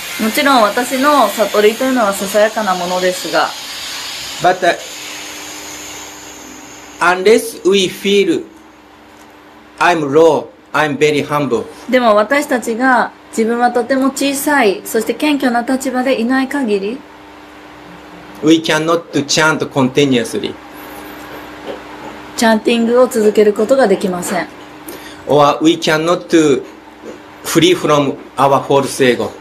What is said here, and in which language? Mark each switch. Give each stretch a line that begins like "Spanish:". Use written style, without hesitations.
Japanese: もちろん私の悟りというのはささやかなものですが。
English: But, unless we feel I'm low, I'm very humble.
Japanese: でも私たちが自分はとても小さい、そして謙虚な立場でいない限り。
English: We cannot chant continuously.
Japanese: チャンティングを続けることができません。
English: Or we cannot free from our false ego.